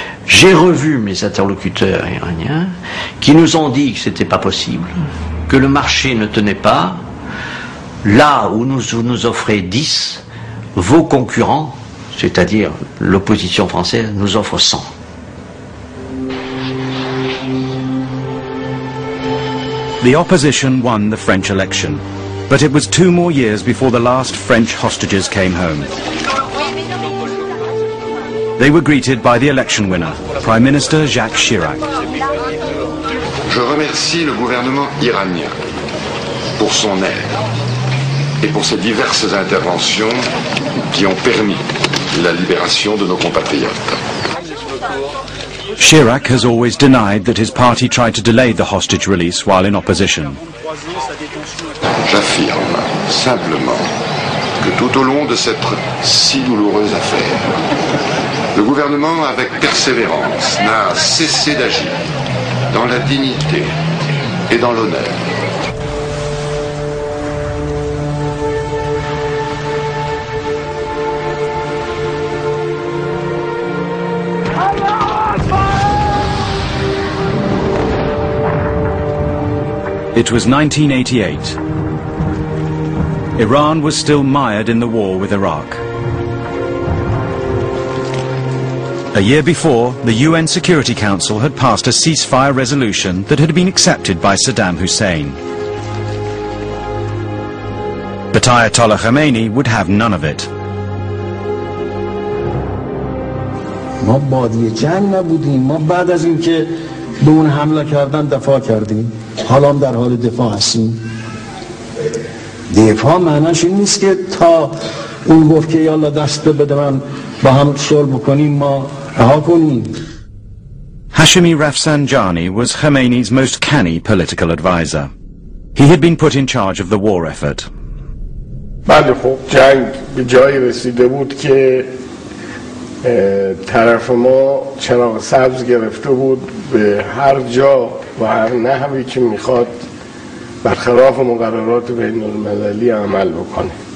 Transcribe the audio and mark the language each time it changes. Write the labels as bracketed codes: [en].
[fr] J'ai revu mes interlocuteurs iraniens qui nous ont dit que c'était pas possible, que le marché ne tenait pas. Là où nous offrez 10, vos concurrents, c'est-à-dire l'opposition française, nous offre 100. [en] The opposition won the French election, but it was 2 more years before the last French hostages came home. They were greeted by the election winner, Prime Minister Jacques Chirac. [fr] Je remercie le gouvernement iranien pour son aide. Et pour ces diverses interventions qui ont permis la libération de nos compatriotes. [en] Chirac has always denied that his party tried to delay the hostage release while in opposition. [fr] J'affirme simplement que tout au long de cette si douloureuse affaire, le gouvernement, avec persévérance, n'a cessé d'agir dans la dignité et dans l'honneur. [en] It was 1988. Iran was still mired in the war with Iraq. A year before, the UN Security Council had passed a ceasefire resolution that had been accepted by Saddam Hussein. But Ayatollah Khomeini would have none of it. [fa] ما بادی جنگ نبودیم ما بعد از اینکه به اون حمله کردن دفاع کردیم حالا هم در حال دفاع هستیم دفاع معناش این نیست که تا اون گفت که یالا دست بده من با هم صلح بکنیم ما رها کنیم [en] Hashemi Rafsanjani was Khomeini's most canny political advisor. He had been put in charge of the war effort. [fa] بله خب جنگ به جایی رسیده بود که طرف ما چراغ سبز گرفته بود به هر جا و هر نحوی که میخواد برخلاف مقررات بین المللی عمل بکنه.